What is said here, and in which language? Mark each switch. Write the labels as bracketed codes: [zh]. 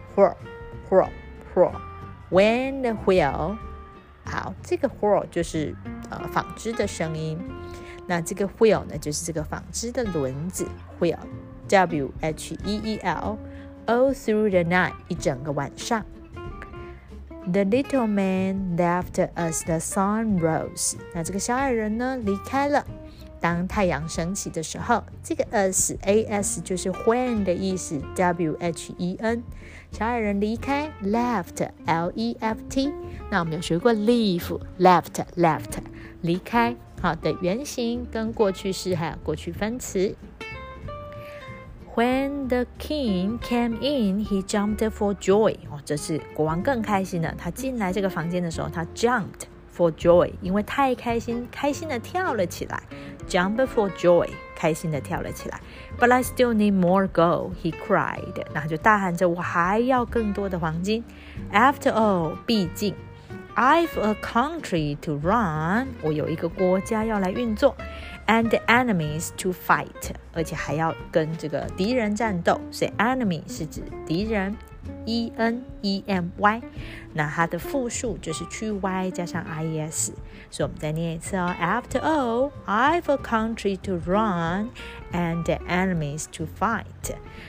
[en] whirl, whirl, whirl. When the wheel， [zh] 好，这个 whirl 就是纺织的声音。那这个 wheel 呢，就是这个纺织的轮子， wheel， W-H-E-E-L。 [en] All through the night, [zh] 一整个晚上。 [en] The little man left as the sun rose. [zh] 那这个小矮人呢，离开了。当太阳升起的时候，这个 as, as 就是 when 的意思， W-H-E-N。小矮人离开， left, L-E-F-T。那我们有学过 leave, left, left, 离开，好的原型跟过去式还有过去分词。 [en] When the king came in, he jumped for joy. [zh] 哦，这是国王更开心了。他进来这个房间的时候，他 [en] jumped for joy. [zh] for joy, 因为太开心，开心的跳了起来。 [en] Jump for joy, [zh] 开心的跳了起来。 [en] But I still need more gold, he cried. [zh] 然后就大喊着，我还要更多的黄金。 [en] After all, [zh] 毕竟。 [en] I've a country to run, [zh] 我有一个国家要来运作 [en] and enemies to fight, [zh] 而且还要跟这个敌人战斗，所以 enemy 是指敌人 E-N-E-M-Y, 那它的复数就是去 Y 加上 I-E-S, 所以我们再念一次哦 [en] After all, I've a country to run and enemies to fight.